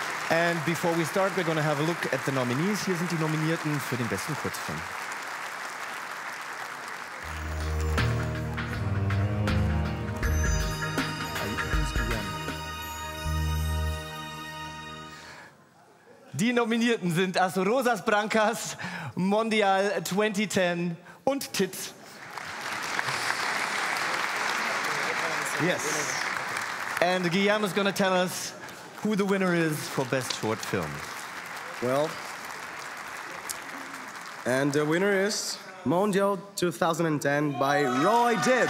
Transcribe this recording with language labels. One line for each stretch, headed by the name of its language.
English: And before we start, we're going to have a look at the nominees.
German: Here sind die Nominierten für den besten Kurzfilm. Die Nominierten sind As Rosas Brancas, Mondial 2010 und Tits.
English: Yes. And Guillaume is going to tell us who the winner is for Best Short Film. Well, and the winner is Mondial 2010 by Roy Dib.